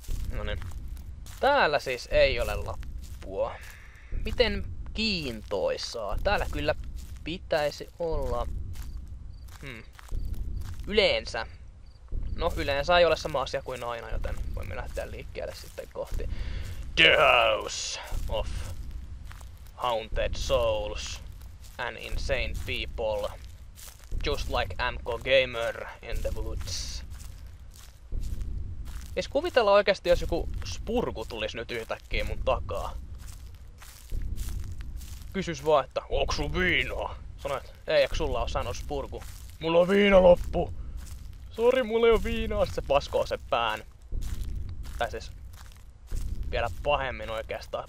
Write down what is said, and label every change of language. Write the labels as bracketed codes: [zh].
[fi] Noniin. Täällä siis ei ole lappua. Miten kiintoisaa. Täällä kyllä pitäisi olla... Yleensä. No, yleensä ei ole sama asia kuin aina, joten voimme lähteä liikkeelle sitten kohti... [en] The House of Haunted Souls and Insane People. Just like MK Gamer in the Woods. [fi] Ees kuvitella oikeesti, jos joku spurku tulis nyt yhtäkkiä mun takaa. Kysyis vaan, että onks sun viinaa? Sanoit, ei, eikö sulla oo sanonut spurku? Mulla on viina loppu! Sori, mulla ei oo viinaa! Sitten se paskoo sen pään. Tai siis... Vielä pahemmin oikeastaan.